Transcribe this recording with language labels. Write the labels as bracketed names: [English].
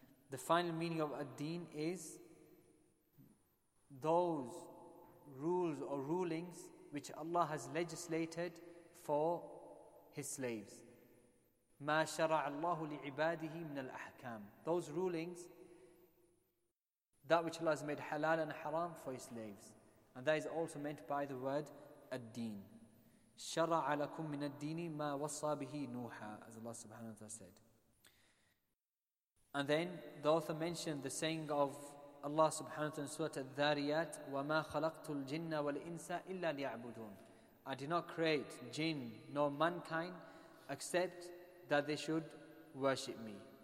[English] The final meaning of ad-deen is those rules or rulings which Allah has legislated for his slaves. [Arabic] مَا شَرَعَ اللَّهُ لِعِبَادِهِ مِنَ الْأَحْكَامِ. [English] Those rulings, that which Allah has made halal and haram for his slaves. And that is also meant by the word الدين. [Arabic] شَرَعَ لَكُم مِّنَ الدِّينِ مَا وَصَّى بِهِ نُوحًا, [English] as Allah subhanahu wa ta'ala said. And then the author mentioned the saying of Allah subhanahu wa ta'ala in Surah Al-Dhariyat, [Arabic] وَمَا خَلَقْتُ الْجِنَّ وَالْإِنسَ إِلَّا لِيَعْبُدُونَ. [English] I did not create jinn nor mankind except that they should worship me.